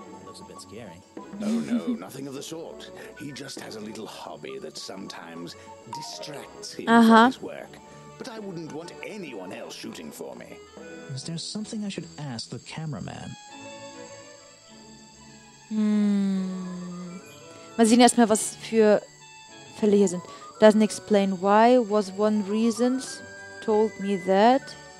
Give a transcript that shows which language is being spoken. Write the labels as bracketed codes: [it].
[en] looks a bit scary. Oh no, nothing of the sort. He just has a little hobby that sometimes distracts him from his work. But I wouldn't want anyone else shooting for me. Is there something I should ask the cameraman? [de] Mal sehen erstmal, was für Fälle hier sind. [en] Doesn't explain why was one reason told me that.